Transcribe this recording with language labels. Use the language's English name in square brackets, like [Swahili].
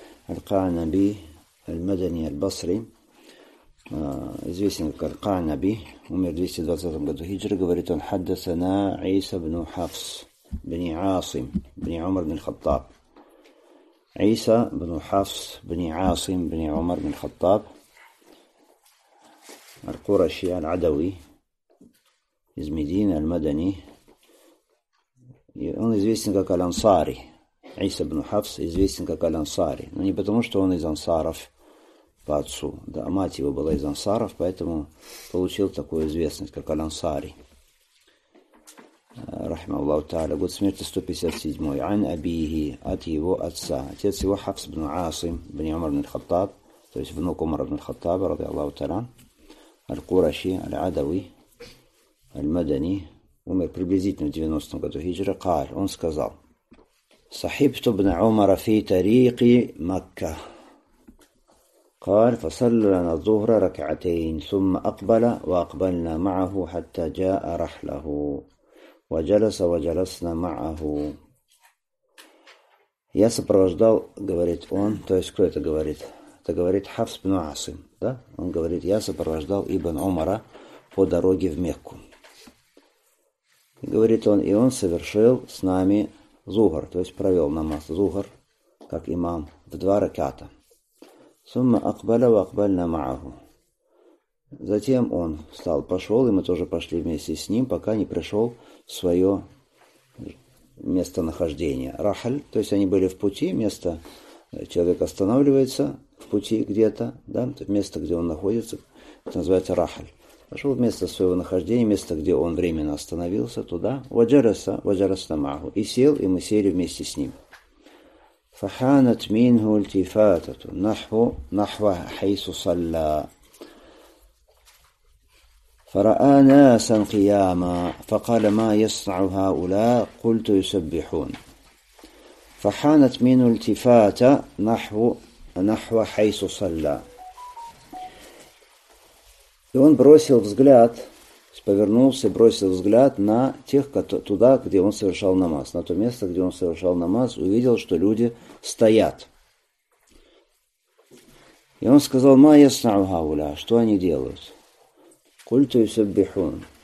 [Arabic] القعنبي المدني البصري, [Russian] известен как [Arabic] القعنبي, [Russian] умер в 220 году хиджры, говорит он, [Arabic] حدثنا عيسى بن حفص بن عاصم بن عمر بن الخطاب. عيسى بن حفص بن عاصم بن عمر بن الخطاب, القرشي العدوي [Russian] из Медины, [Arabic] المدني, [Russian] он известен как Ансари. عيسى بن حفص известен как Ансари, но не потому, что он из ансаров по отцу, да, мать его была из ансаров, поэтому получил такую известность как Ансари. [Arabic] رحمه الله تعالى, [Russian] год смерти 157, [Arabic] عن أبيه, [Russian] от его отца, отец его [Arabic] حفص بن عاصم بن عمر بن الخطاب, [Russian] то есть внук [Arabic] عمر بن الخطاب رضي الله تعالى, القرشي العدوي المدني, [Russian] умер приблизительно в 90 году хиджра, [Arabic] قال, [Russian] он сказал, [Arabic] صحبت ابن عمر في طريق مكة, قال, فصلى لنا الظهر ركعتين ثم أقبل وأقبلنا معه حتى جاء رحله وجلس وجلسنا معه. [Russian] Я сопровождал, говорит он, то есть кто это говорит? Это говорит Хафс бин Асим, да? Он говорит, я сопровождал ибн Умара по дороге в Мекку. Говорит он, и он совершил с нами зухр, то есть провел намаз зухр, как имам, в два ракята. [Arabic] Сумма акбаля ва акбальна маагу. [Russian] Затем он встал, пошел, и мы тоже пошли вместе с ним, пока не пришел в свое местонахождение. Рахаль, то есть они были в пути, место, человек останавливается в пути где-то, да, место, где он находится, это называется рахаль. Пошел в место своего нахождения, место, где он временно остановился, туда. [Arabic] Ваджараса, ваджарасна маагу. [Russian] И сел, и мы сели вместе с ним. [Arabic] فحانت منه التفاتة نحو حيث صلى فرأى ناسا قياما فقال ما يصنع هؤلاء قلت يسبحون فحانت منه التفاتة نحو حيث صلى. [Russian] И он бросил взгляд, повернулся, бросил взгляд на тех, туда, где он совершал намаз, на то место, где он совершал намаз, увидел, что люди стоят. И он сказал, [Arabic] «Ма яснау гауля», [Russian] что они делают? [Arabic] «Культу юсаббихун».